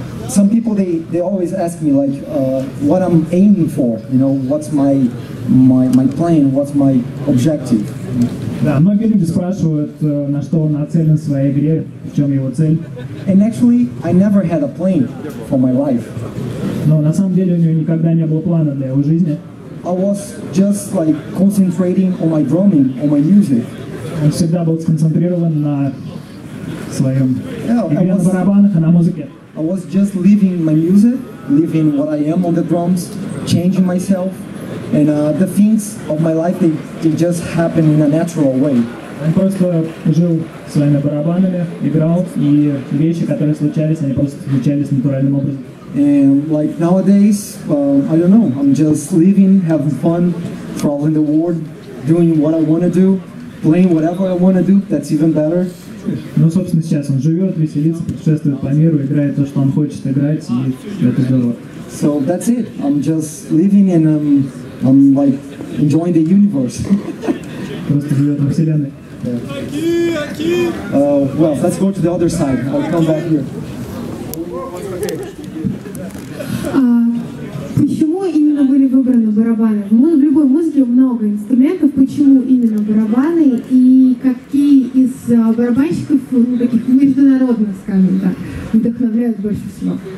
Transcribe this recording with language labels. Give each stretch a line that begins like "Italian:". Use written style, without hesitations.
English: Some people they always ask me like what I'm aiming for, you know, what's my plan, what's my objective.
Russian: Да, многие люди спрашивают, на что он нацелен в своей игре, в чем его цель.
English: And actually, I never had a plan for my life.
Russian: Но на самом деле у него никогда не было плана для его жизни.
English: I was just like concentrating on my drumming, on my music.
Russian: Он всегда был сконцентрирован на своем игре на барабанах и на музыке.
English: I was just living my music, living what I am on the drums, changing myself, and the things of my life they just happen in a natural way.
Russian: Он просто жил своими барабанами, играл, и вещи, которые случались, они просто случались натуральным образом.
English: And like nowadays, I don't know, I'm just living, having fun, traveling the world, doing what I want to do, playing whatever I want to do, that's even better.
Russian: Ну, собственно, сейчас он живет, веселится, путешествует по миру, играет то, что он хочет играть, и это здорово.
English: So that's it. I'm just living and I'm like enjoying the universe.
Russian: Просто живет во вселенной.
English: Well, let's go to the other side. I'll come back here.
Russian: Почему именно были выбраны барабаны? В любой музыке много инструментов. Почему именно барабаны? И какие из барабанщиков, таких международных, скажем так, вдохновляют больше всего?